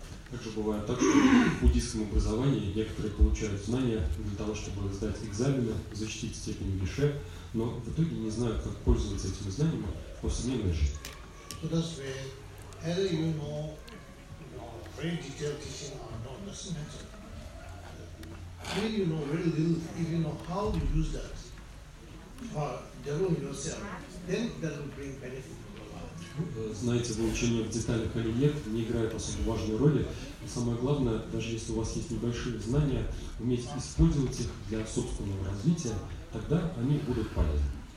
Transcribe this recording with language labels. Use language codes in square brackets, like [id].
[ru] Также бывает так, что в буддийском образовании некоторые получают знания для того, чтобы сдать экзамены, защитить степень гише, но в итоге не знают, как пользоваться этими знаниями в повседневной жизни. [en] So that's where, either you know, very detailed teaching or not, doesn't matter. Either you know very little, if you know how to use that for developing yourself, then that will bring benefit. [ru] Знаете вы учение в деталях или нет, не играет особо важной роли. И самое главное, даже если у вас есть небольшие знания, уметь использовать их для собственного развития, тогда они будут полезны.